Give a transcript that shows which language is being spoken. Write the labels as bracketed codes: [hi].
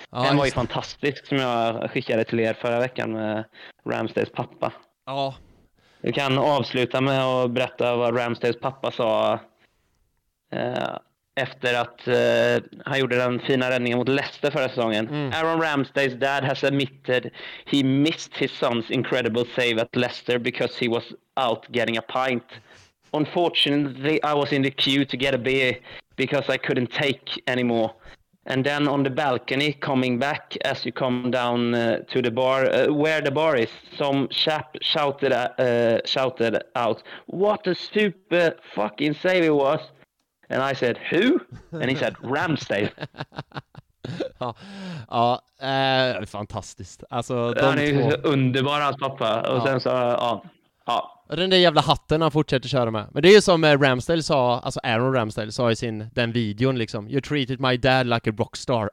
[sv] Ja, den var ju fantastisk som jag skickade till er förra veckan med Ramsdales pappa. Ja. Vi kan avsluta med att berätta vad Ramsdales pappa sa efter att han gjorde den fina räddningen mot Leicester förra säsongen. [en] Aaron Ramsdale's dad has admitted he missed his son's incredible save at Leicester because he was out getting a pint. Unfortunately, I was in the queue to get a beer because I couldn't take anymore. And then on the balcony, coming back as you come down to the bar, where the bar is, some chap shouted out, "What a super fucking save it was!" And I said, "Who?" And he said, "Ramsdale." [sv] Ja, ja, fantastiskt. Alltså, han är underbar, hans pappa. Och ja. Sen så, ja. Ja, den där jävla hatten han fortsätter köra med. Men det är ju som Ramsdale sa, alltså Aaron Ramsdale sa i sin den videon liksom, [en] you treated my dad like a rockstar.